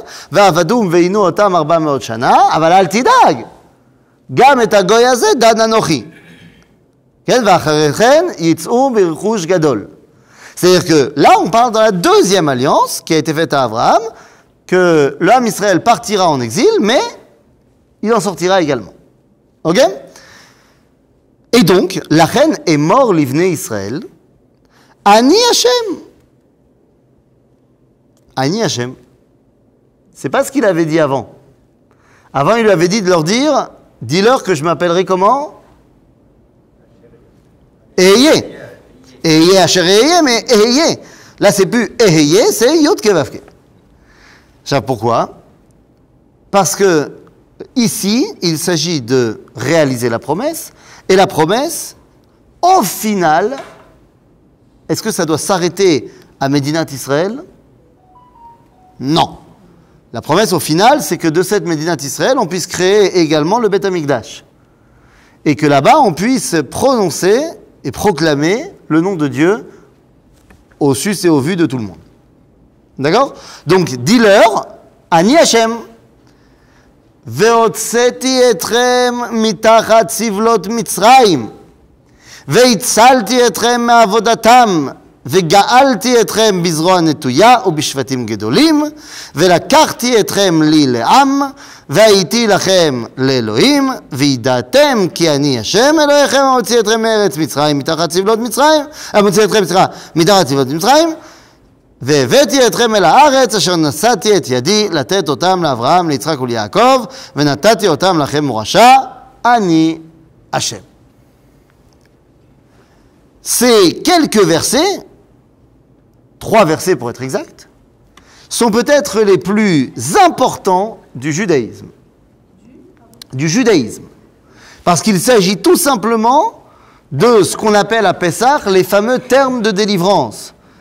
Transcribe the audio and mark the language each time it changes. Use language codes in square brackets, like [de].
[he] ועבדום ועינו אותם 400 שנה, אבל אל תדאג, גם את הגוי הזה דן אנוכי. כן, ואחרי כן יצאו ברכוש גדול. [fr] C'est-à-dire que là, on parle de la deuxième alliance qui a été faite à Abraham, que l'homme Israël partira en exil, mais il en sortira également. Ok ? Et donc, [he] לכן אמור לבני ישראל, אני השם. אני השם. [fr] C'est pas ce qu'il avait dit avant. Avant, il lui avait dit de leur dire, dis-leur que je m'appellerai comment ? Eyé. Eyé, Asher Eyé, mais Eyé. Là, c'est plus Eyé, c'est Yod Kevavke. Pourquoi ? Parce que ici, il s'agit de réaliser la promesse. Et la promesse, au final, est-ce que ça doit s'arrêter à Médinat Israël ? Non. La promesse, au final, c'est que de cette Médinat Israël, on puisse créer également le Bet Amigdash. Et que là-bas, on puisse prononcer et proclamer le nom de Dieu au sus et au vu de tout le monde. D'accord ? Donc, dis-leur, Ani Hashem, [he] והוצאתי אתכם מתחת סבלות מצרים, והצלתי אתכם מעבודתם, וגאלתי אתכם בזרוע נטויה ובשבטים גדולים, ולקחתי אתכם לי לעם, והייתי לכם לאלוהים, וידעתם כי אני השם אלוהיכם, המוציא אתכם מארץ מצרים, מתחת סבלות מצרים, המוציא אתכם, סליחה, מתחת סבלות מצרים, והבאתי אתכם אל הארץ אשר נשאתי את ידי לתת אותם לאברהם, ליצחק וליעקב, ונתתי אותם לכם מורשה, אני השם. [fr] Ces quelques versets, trois versets pour être exact, sont peut-être les plus importants du judaïsme. Du judaïsme. Parce qu'il s'agit tout simplement de ce qu'on appelle à Pessah les fameux termes de délivrance.